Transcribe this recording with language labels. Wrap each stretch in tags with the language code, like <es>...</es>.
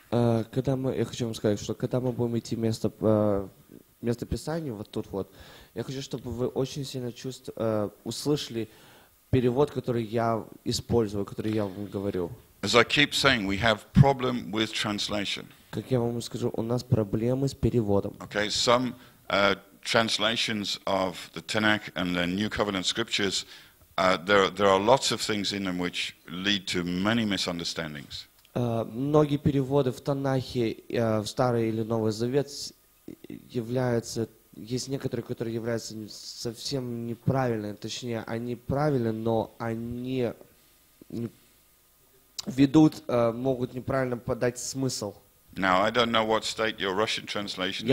<ru>Когда мы, я хочу вам сказать, что когда мы будем идти место место писания вот тут вот, я хочу, чтобы вы очень сильно услышали перевод, который я использую, который я вам говорю.</ru> <en>As I keep saying, we have problem with translation.</en> <ru>Как я вам скажу, у нас проблемы с переводом.</ru> <en>Okay, some translations of the Tanakh and the New Covenant scriptures, there are lots of things in them which lead to many misunderstandings.</en> <ru>Многие переводы в Танахе, в Старый или Новый Завет являются, есть некоторые, которые являются совсем неправильными, точнее, они правильны, но они ведут, могут неправильно подать смысл.</ru> <en>Now I don't know what state your Russian translation is.</en>